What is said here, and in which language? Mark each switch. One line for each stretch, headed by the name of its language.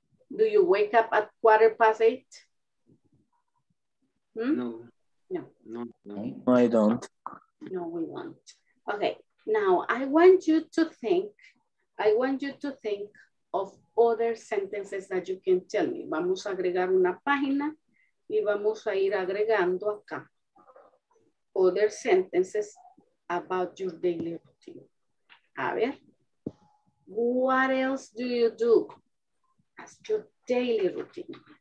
English: Do you wake up at 8:15? No. No. No. No, I don't. No, we won't. Okay. Now, I want you to think of other sentences that you can tell me.
Spanish: Vamos a agregar una página y vamos a ir agregando acá.
English: Other sentences about your daily routine. A ver, what else do you do as your daily routine?